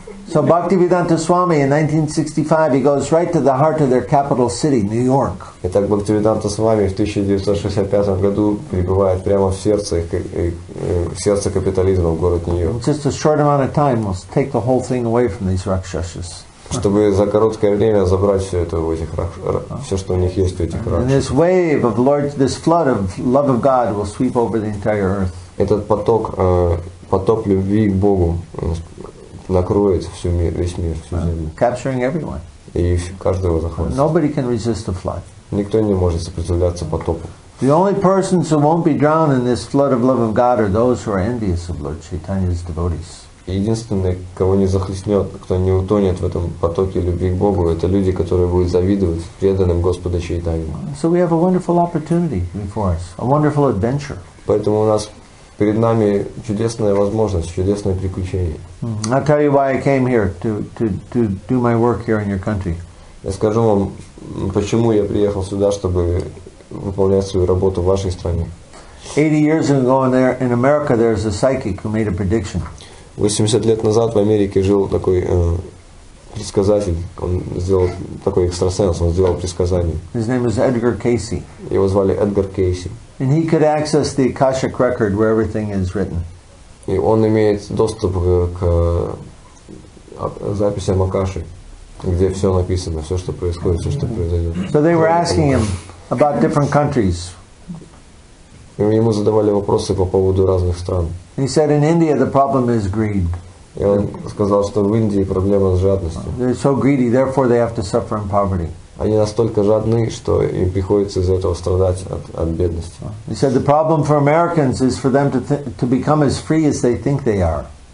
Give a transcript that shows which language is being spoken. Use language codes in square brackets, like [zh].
[en] So Bhaktivedanta Swami in 1965 he goes right to the heart of their capital city, New York. [ru] Итак, Бхактивиданта Свами в 1965 году прибывает прямо в сердце капитализма в город Нью-Йорк. [en] Just a short amount of time will take the whole thing away from these ракшасас. [ru] Чтобы за короткое время забрать все это у этих все, что у них есть у этих ракшасов. [en] And this wave of Lord, this flood of love of God will sweep over the entire earth. [ru] Этот поток любви к Богу накроет всю мир, весь мир, всю землю. [en] Capturing everyone. [ru] И каждого захватит. [en] Nobody can resist the flood. [ru] Никто не может сопротивляться потопу. [en] The only persons who won't be drowned in this flood of love of God are those who are envious of Lord Chaitanya's devotees. [ru] Единственные, кого не захлестнет, кто не утонет в этом потоке любви к Богу, это люди, которые будут завидовать преданным Господа Чайтанью. [en] So we have a wonderful opportunity before us, a wonderful adventure. [ru] Поэтому у нас перед нами чудесная возможность, чудесное приключение. [en] I'll tell you why I came here to do my work here in your country. [ru] Я скажу вам, почему я приехал сюда, чтобы выполнять свою работу в вашей стране. [en] 80 years ago in America there's a psychic who made a prediction. [ru] 80 лет назад в Америке жил такой предсказатель. Он сделал такой экстрасенс, он сделал предсказание. [en] His name is Edgar Cayce. [ru] Его звали Эдгар Кейси. [en] And he could access the Akashic record where everything is written. [ru] И он имеет доступ к записям Акаши, где все написано, все, что происходит, все, что произойдет. [en] So they were asking him about different countries. [ru] И ему задавали вопросы по поводу разных стран. [en] He said in India the problem is greed. [ru] И он сказал, что в Индии проблема с жадностью. [en] They're so greedy, therefore they have to suffer in poverty. [ru] Они настолько жадны, что им приходится из-за этого страдать от бедности. [en] He said the problem for Americans is for them to become as free as they think they are.